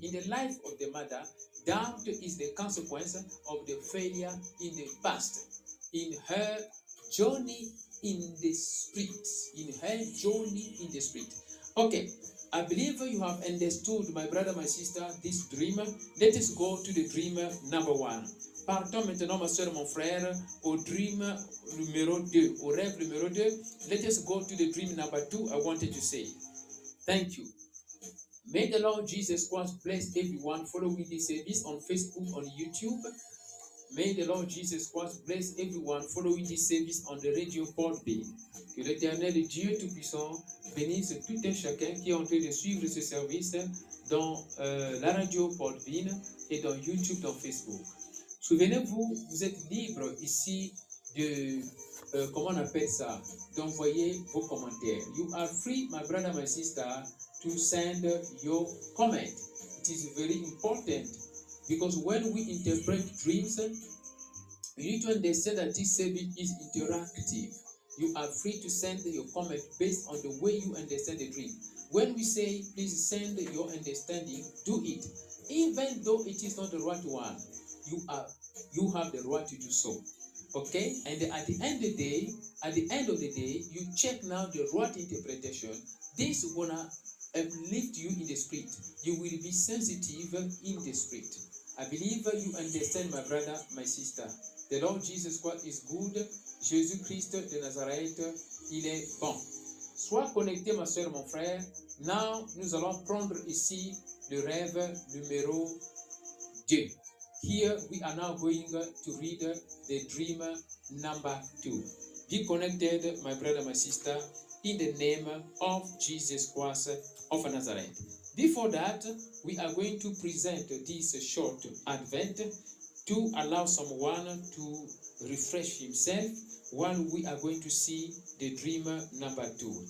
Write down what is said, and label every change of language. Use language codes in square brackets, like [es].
[en] In the life of the mother, doubt is the consequence of the failure in the past. In her journey in the spirit. In her journey in the spirit. Okay, I believe you have understood, my brother, my sister, this dream. Let us go to the dream number one. [fr] Partons maintenant, ma soeur, mon frère, au dream numéro 2, au rêve numéro 2. [en] Let us go to the dream number 2, I wanted to say. Thank you. May the Lord Jesus Christ bless everyone following this service on Facebook, on YouTube. May the Lord Jesus Christ bless everyone following this service on the radio Podbean. [fr] Que l'éternel Dieu Tout-Puissant bénisse tout un chacun qui est en train de suivre ce service dans la radio Podbean et dans YouTube, dans Facebook. Souvenez-vous, vous êtes libre ici de, comment on appelle ça, d'envoyer vos commentaires. [en] You are free, my brother, my sister, to send your comment. It is very important because when we interpret dreams, you need to understand that this service is interactive. You are free to send your comment based on the way you understand the dream. When we say, please send your understanding, do it. Even though it is not the right one, you have the right to do so. Okay? And at the end of the day, you check now the right interpretation. This is gonna uplift you in the spirit. You will be sensitive in the spirit. I believe you understand, my brother, my sister. The Lord Jesus Christ is good. [fr] Jésus Christ de Nazareth, il est bon. Sois connecté, ma soeur, mon frère. [en] Now, [fr] nous allons prendre ici le rêve numéro 2. [en] Here, we are now going to read the dream number 2. Be connected, my brother, my sister, in the name of Jesus Christ of Nazareth. Before that, we are going to present this short advent to allow someone to refresh himself while we are going to see the dream number 2.